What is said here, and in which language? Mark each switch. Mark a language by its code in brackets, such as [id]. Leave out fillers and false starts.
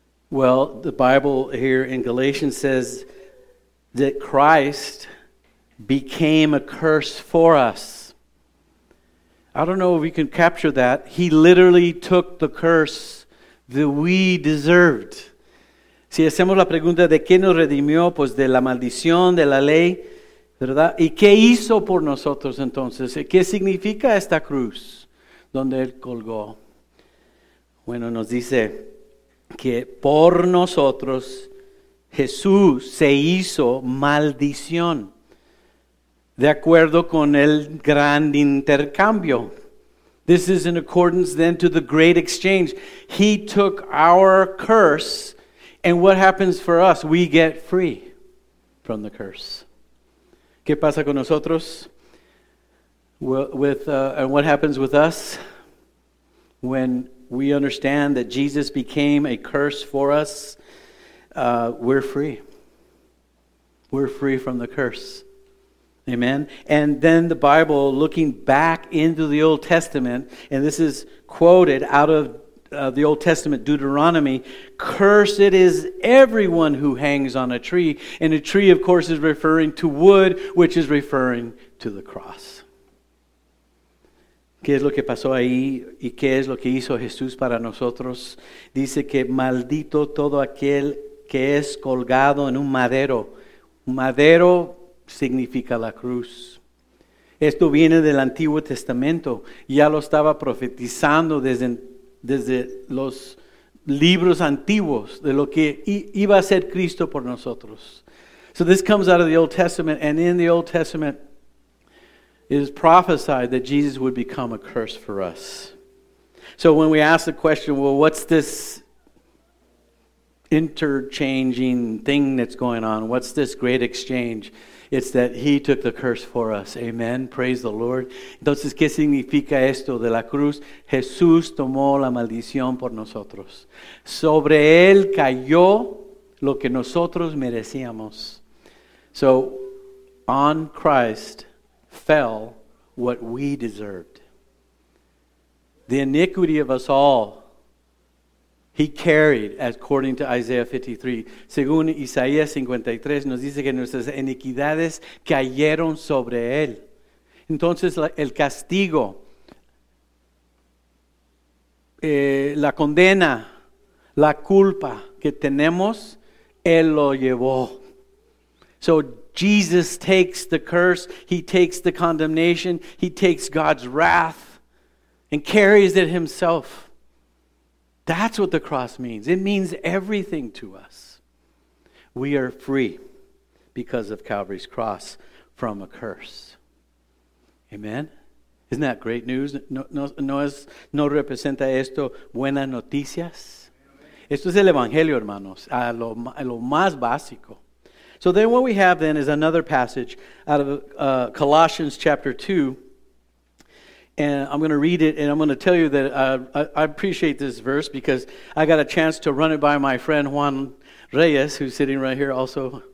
[en] Well, the Bible here in Galatians says that Christ became a curse for us. I don't know if we can capture that. He literally took the curse that we deserved. [es] Si hacemos la pregunta de qué nos redimió, pues de la maldición de la ley, ¿verdad? ¿Y qué hizo por nosotros entonces? ¿Qué significa esta cruz donde él colgó? Bueno, nos dice que por nosotros Jesús se hizo maldición de acuerdo con el gran intercambio. [en] This is in accordance then to the great exchange. He took our curse, and what happens for us? We get free from the curse. [es] ¿Qué pasa con nosotros? [en] And what happens with us when we understand that Jesus became a curse for us, we're free. We're free from the curse. Amen. And then the Bible, looking back into the Old Testament, and this is quoted out of the Old Testament, Deuteronomy, cursed is everyone who hangs on a tree. And a tree, of course, is referring to wood, which is referring to the cross. [es] ¿Qué es lo que pasó ahí? ¿Y qué es lo que hizo Jesús para nosotros? Dice que maldito todo aquel que es colgado en un madero. Madero significa la cruz. Esto viene del Antiguo Testamento. Ya lo estaba profetizando desde los libros antiguos de lo que iba a ser Cristo por nosotros. [en] So this comes out of the Old Testament, and in the Old Testament it is prophesied that Jesus would become a curse for us. So when we ask the question, well, what's this interchanging thing that's going on? What's this great exchange? It's that he took the curse for us. Amen. Praise the Lord. [es] Entonces, ¿qué significa esto de la cruz? Jesús tomó la maldición por nosotros. Sobre él cayó lo que nosotros merecíamos. [en] So, on Christ fell what we deserved. The iniquity of us all, he carried, according to Isaiah 53. [es] Según Isaías 53, nos dice que nuestras iniquidades cayeron sobre él. Entonces, el castigo, la condena, la culpa que tenemos, él lo llevó. [en] So, Jesus takes the curse, he takes the condemnation, he takes God's wrath, and carries it himself. That's what the cross means. It means everything to us. We are free because of Calvary's cross from a curse. Amen? Isn't that great news? [es] ¿No representa esto buenas noticias? Esto es el Evangelio, hermanos, a lo más básico. [en] So then what we have then is another passage out of Colossians chapter 2. And I'm going to read it, and I'm going to tell you that I appreciate this verse because I got a chance to run it by my friend Juan Reyes, who's sitting right here also.